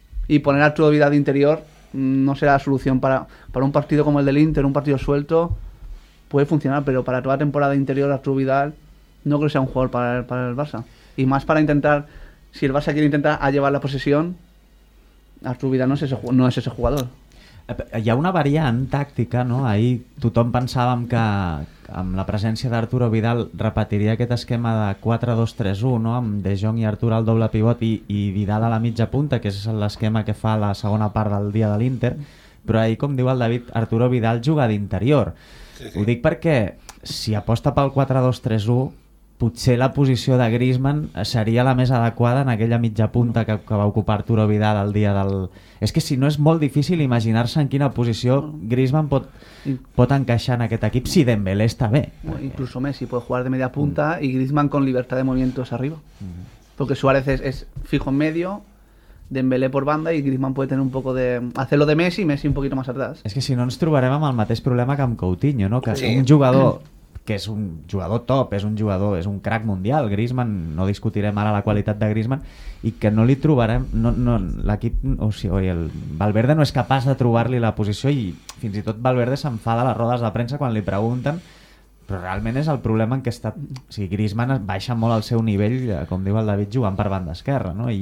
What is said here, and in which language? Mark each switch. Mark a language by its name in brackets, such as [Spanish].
[Spanish] Y poner a Arturo Vidal de interior no será la solución para un partido como el del Inter, un partido suelto, puede funcionar, pero para toda temporada interior Arturo Vidal no creo que sea un jugador para el Barça. Y más para intentar, si el Barça quiere intentar a llevar la posesión, Arturo Vidal no es ese jugador. [Catalan] Hi ha una variant tàctica, no? Ahir tothom pensàvem que amb la presència d'Arturo Vidal repetiria aquest esquema de 4-2-3-1, no? Amb De Jong i Arturo al doble pivot i Vidal a la mitja punta, que és l'esquema que fa la segona part del dia de l'Inter. Però ahir, com diu el David, Arturo Vidal juga d'interior. Sí, sí. Ho dic perquè si aposta pel 4-2-3-1, potser la posició de Griezmann seria la més adequada en aquella mitja punta que va ocupar Arturo Vidal el dia del... És que si no, és molt difícil imaginar-se en quina posició Griezmann pot encaixar en aquest equip si Dembélé està bé. [Spanish] Bueno, incluso Messi puede jugar de media punta y Griezmann con libertad de movimientos arriba. Porque Suárez es fijo en medio, Dembélé por banda y Griezmann puede tener un poco de... Hacerlo de Messi y Messi un poquito más atrás. [Catalan] És que si no, ens trobarem amb el mateix problema que amb Coutinho, no? Que un jugador... que és un jugador top, és un crack mundial, Griezmann, no discutirem ara la qualitat de Griezmann, i que no li trobarem, no l'equip, o sigui, el Valverde no és capaç de trobar-li la posició, i fins i tot Valverde s'enfada a les rodes de premsa quan li pregunten, però realment és el problema en què està, o sigui, Griezmann baixa molt al seu nivell, com diu el David, jugant per banda esquerra, no?